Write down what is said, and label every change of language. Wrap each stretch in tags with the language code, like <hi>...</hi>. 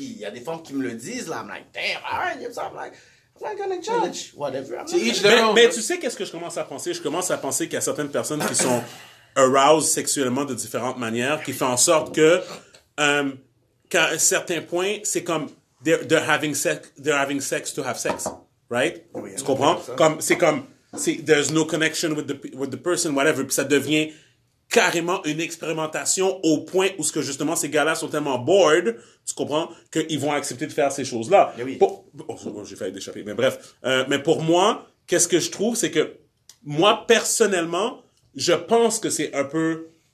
<fr>Puis il y a des femmes qui me le disent, là.</fr> <en>I'm like, damn, alright, you're something like... I'm not gonna judge. Whatever.</en> <fr>Mais tu sais qu'est-ce que je commence à penser? Je commence à penser qu'il y a certaines personnes qui sont aroused sexuellement de différentes manières, qui font en sorte que, qu'à un certain point, c'est comme</fr> <en>they're having sex to have sex. Right?</en> <fr>Oui, tu comprends? C'est comme,</fr> <en>there's no connection with the person, whatever.</en> <fr>Puis ça devient carrément une expérimentation au point où ce que justement ces gars-là sont tellement bored, tu comprends, qu'ils vont accepter de faire ces choses-là. Oui. J'ai failli d'échapper, mais bref. Mais pour moi, qu'est-ce que je trouve, c'est que moi, personnellement, je pense que c'est un peu...</fr>